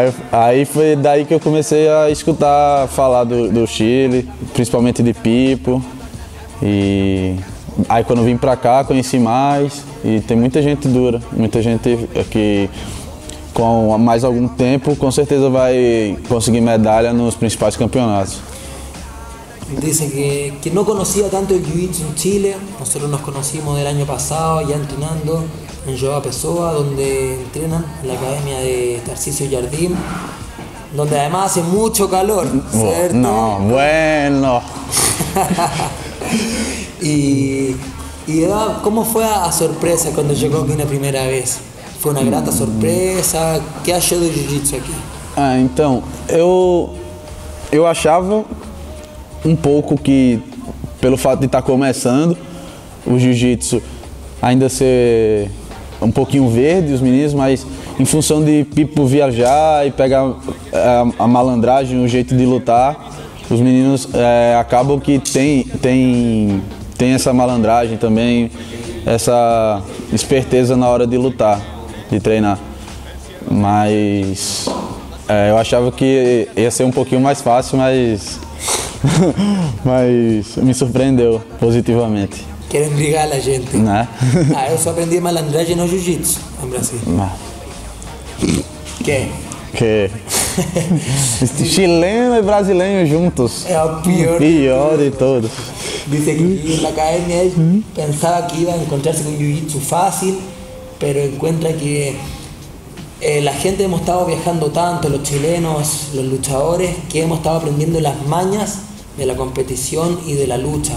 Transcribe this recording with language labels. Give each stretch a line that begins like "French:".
Portuguese: Aí foi daí que eu comecei a escutar falar do Chile, principalmente de Pipo. E aí quando eu vim pra cá, conheci mais. E tem muita gente dura. Muita gente que com mais algum tempo, com certeza vai conseguir medalha nos principais campeonatos.
Spanish: Dice que no conocía tanto el jiu-jitsu en Chile. Nosotros nos conocimos del año pasado ya entrenando en Joao Pessoa, donde entrenan en la academia de Tarcisio Jardim, donde además hace mucho calor, ¿cierto? No, bueno. y ¿cómo fue a sorpresa cuando llegó aquí la primera vez? ¿Fue una grata sorpresa? ¿Qué ha hecho del jiu-jitsu aquí?
Portuguese: Entonces, yo achaba um pouco que, pelo fato de estar começando, o jiu-jitsu ainda ser um pouquinho verde, os meninos, mas em função de Pipo viajar e pegar a malandragem, o jeito de lutar, os meninos acabam que tem essa malandragem também, essa esperteza na hora de lutar, de treinar. Mas eu achava que ia ser um pouquinho mais fácil, mas... Mas me surpreendeu positivamente. Querem brigar a gente. Né? Ah, eu só aprendi malandragem no jiu-jitsu em Brasil. Que? Chileno e brasileiro juntos. É o pior. Pior de todos. Disse que na academia pensava que ia encontrar-se com jiu-jitsu fácil,
Spanish: mas encontra que la gente hemos estado viajando tanto, los chilenos, los luchadores, que hemos estado aprendiendo las mañas de la competición y de la lucha.